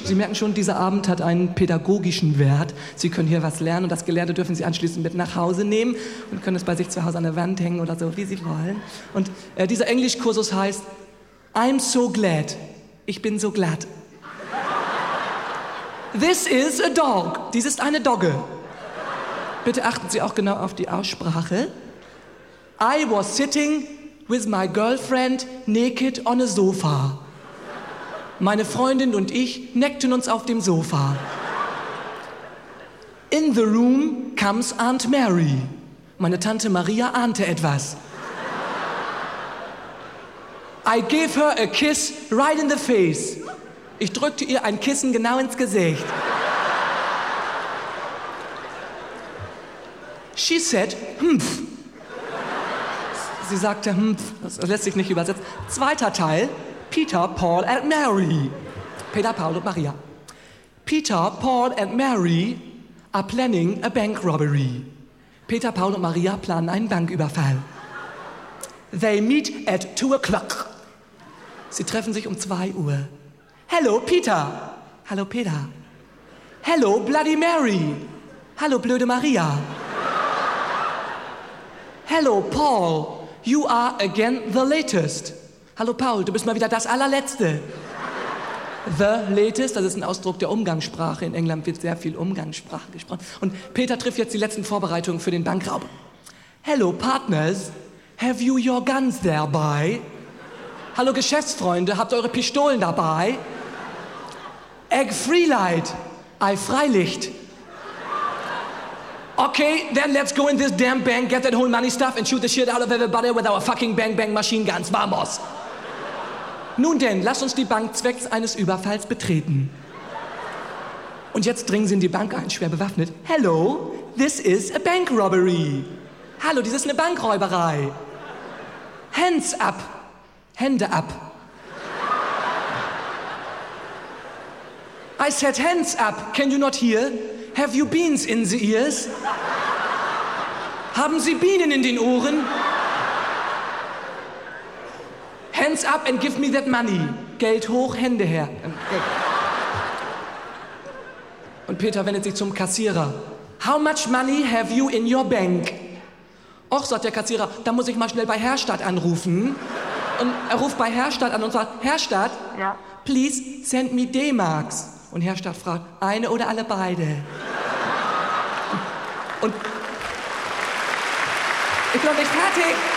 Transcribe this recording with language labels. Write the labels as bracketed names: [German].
[German] Sie merken schon, dieser Abend hat einen pädagogischen Wert. Sie können hier was lernen und das Gelernte dürfen Sie anschließend mit nach Hause nehmen und können es bei sich zu Hause an der Wand hängen oder so, wie Sie wollen. Und dieser Englischkursus heißt [English] I'm so glad. [German] Ich bin so glad. [English] This is a dog. [German] Dies ist eine Dogge. Bitte achten Sie auch genau auf die Aussprache. [English] I was sitting with my girlfriend naked on a sofa. [German] Meine Freundin und ich neckten uns auf dem Sofa. [English] In the room comes Aunt Mary. [German] Meine Tante Maria ahnte etwas. [English] I gave her a kiss right in the face. [German] Ich drückte ihr ein Kissen genau ins Gesicht. [English] She said, humph. [German] Sie sagte, humph, das lässt sich nicht übersetzen. Zweiter Teil. Peter, Paul and Mary. Peter, Paul und Maria. [English] Peter, Paul and Mary are planning a bank robbery. [German] Peter, Paul und Maria planen einen Banküberfall. [English] They meet at 2 o'clock. [German] Sie treffen sich um 2 Uhr. [English] Hello, Peter. [German] Hallo, Peter. [English] Hello, Bloody Mary. [German] Hallo, blöde Maria. [English] Hello, Paul. You are again the latest. [German] Hallo Paul, du bist mal wieder das Allerletzte. [English] The latest, [German] das ist ein Ausdruck der Umgangssprache. In England wird sehr viel Umgangssprache gesprochen. Und Peter trifft jetzt die letzten Vorbereitungen für den Bankraub. [English] Hello partners, have you your guns thereby? [German] Hallo Geschäftsfreunde, habt eure Pistolen dabei? [English] Egg free light, [German] Ei Freilicht. [English] Okay, then let's go in this damn bank, get that whole money stuff and shoot the shit out of everybody with our fucking bang bang machine guns. [Spanish] Vamos! [German] Nun denn, lass uns die Bank zwecks eines Überfalls betreten. Und jetzt dringen Sie in die Bank ein, schwer bewaffnet. [English] Hello, this is a bank robbery. [German] Hallo, dies ist eine Bankräuberei. [English] Hands up. [German] Hände ab. [English] I said hands up. Can you not hear? Have you beans in the ears? [German] Haben Sie Bienen in den Ohren? [English] Hands up and give me that money. [German] Geld hoch, Hände her. Und Peter wendet sich zum Kassierer. [English] How much money have you in your bank? [German] Och, sagt der Kassierer, da muss ich mal schnell bei Herstadt anrufen. Und er ruft bei Herstadt an und sagt, Herstadt, ja? [English] Please send me D-Marks. [German] Und Herstadt fragt, eine oder alle beide? Und ich bin noch nicht fertig.